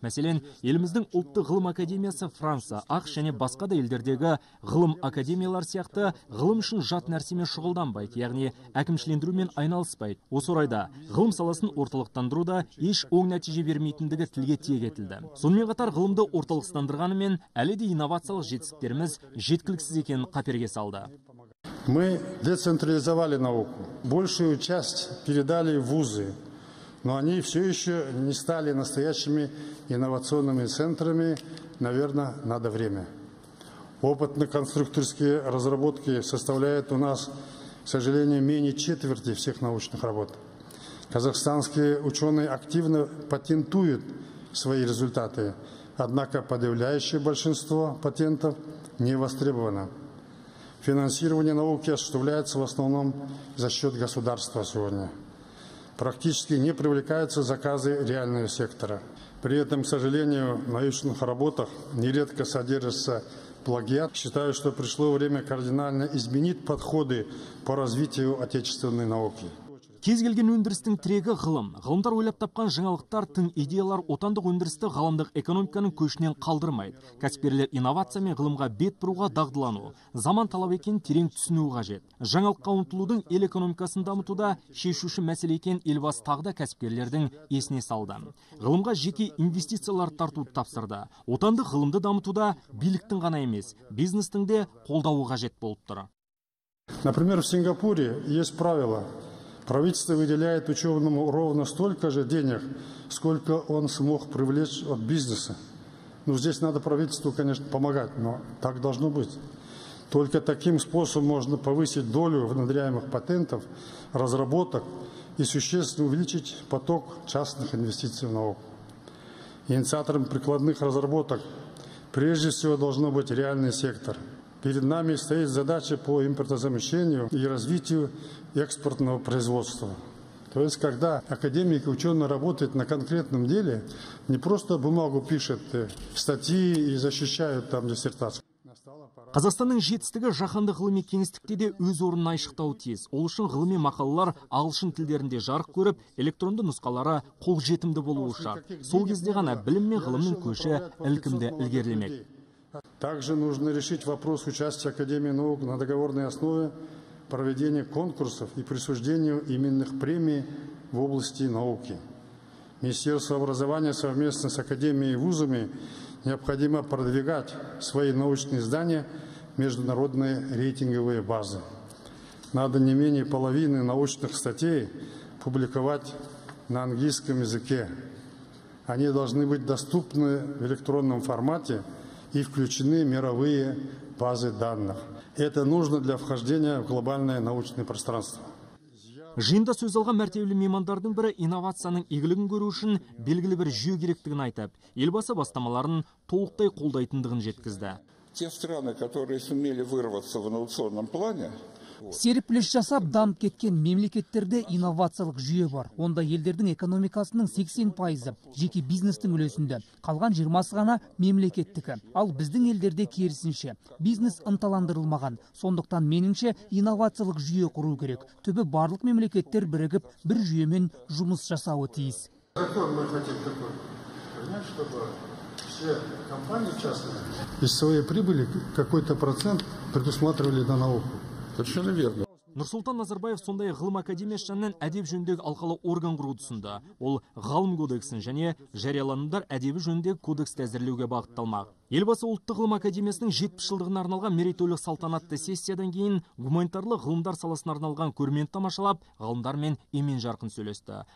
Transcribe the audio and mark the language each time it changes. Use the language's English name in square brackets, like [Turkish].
[Kazakh] Мәселен, еліміздің Ұлттық ғылым академиясы Франция, ақ және басқа да елдердегі ғылым академиялар сияқты ғылым үшін жат нәрсемен шұғылданбайды, яғни әкімшілендірумен айналыспайды. Осы орайда ғылым саласын орталықтандыру да еш оң нәтиже бермейтіндігі тілге тиек етілді. Сонымен қатар ғылымды орталықтандырғанымен әлі де инновациялық жетістіктеріміз жеткіліксіз екенін қаперге салды. [Russian] Мы децентрализовали науку, большую часть передали в вузы, но они все еще не стали настоящими инновационными центрами, наверное, надо время. Опытно-конструкторские разработки составляют у нас, к сожалению, менее 1/4 всех научных работ. Казахстанские ученые активно патентуют свои результаты, однако подавляющее большинство патентов не востребовано. Финансирование науки осуществляется в основном за счет государства сегодня. Практически не привлекаются заказы реального сектора. При этом, к сожалению, в научных работах нередко содержится плагиат. Считаю, что пришло время кардинально изменить подходы по развитию отечественной науки. [Kazakh] Кезгелген өндірістің тірегі ғылым. Ғылымдар ойлап тапқан жаңалықтар тың идеялар отандық өндірісті ғаламдық экономиканың көшінен қалдырмайды. Кәсіпкерлер инновация мен ғылымға бет бұруға дағдылану, заман талап екен терең түсінуі қажет. Жаңалыққа ұмтылудың ел экономикасын дамытуда шешуші мәселе екен елбасы тағы да кәсіпкерлердің есіне салды. Ғылымға жеке инвестициялар тартуды тапсырды. Отандық ғылымды дамытуда биліктің ғана емес, бизнестің де қолдауы қажет болып тұр. [Russian] Например, в Сингапуре есть правило. Правительство выделяет ученому ровно столько же денег, сколько он смог привлечь от бизнеса. Ну, здесь надо правительству, конечно, помогать, но так должно быть. Только таким способом можно повысить долю внедряемых патентов, разработок и существенно увеличить поток частных инвестиций в науку. Инициатором прикладных разработок прежде всего должен быть реальный сектор. Перед нами стоит задача по импортозамещению и развитию экспортного производства. То есть, когда академик и ученый работают на конкретном деле, не просто бумагу пишут, статьи и защищают там диссертацию. [Kazakh] Қазақстанның жетістігі жаһандық ғылыми кеңістікте де өз орнын айшықтау тиіс. Ол үшін ғылыми мақалалар ағылшын тілдерінде жарық көріп, электронды нұсқалары қол жетімді болуы шарт. Сол кезде ғана білім мен ғылымның көші ілкімді ілгерілемек. [Russian] Также нужно решить вопрос участия Академии наук на договорной основе, проведения конкурсов и присуждения именных премий в области науки. Министерство образования совместно с Академией и вузами необходимо продвигать свои научные издания в международные рейтинговые базы. Надо не менее половины научных статей публиковать на английском языке. Они должны быть доступны в электронном формате и включены мировые базы данных. Это нужно для вхождения в глобальное научное пространство. [Kazakh] Жиында сөз алған мәртебелі меймандардың бірі инновацияның игілігін көру үшін белгілі бір жүйе керектігін айтып, елбасы бастамаларын толықтай қолдайтындығын жеткізді. [Russian] Те страны, которые сумели вырваться в инновационном плане, [Kazakh] серпіліс жасап дамып кеткен мемлекеттерде инновациялық жүйе бар. Онда елдердің экономикасының 80% жеке бизнестің үлесінде, қалған 20% ғана мемлекеттікі. Ал біздің елдерде керісінше бизнес ынталандырылмаған. Сондықтан меніңше инновациялық жүйе құру керек. Түбі барлық мемлекеттер бірігіп бір жүйемен жұмыс жасауы тиіс. [Russian] Из своей прибыли какой-то процент предусматривали на науку. [Kazakh] Нұрсұлтан Назарбаев сондай ғылым академиясынан әдеп жөндегі алқалы орган құрудысында. Ол ғалым кодексін және жарияланымдар әдебі жөндегі кодексті әзірлеуге бағытталмақ. Елбасы ұлттық ғылым академиясының 70 жылдығына арналған мерейтойлық салтанатты сессиядан кейін гуманитарлық ғылымдар саласына арналған көрмені тамашалап, ғалымдармен емен жарқын сөйлесті.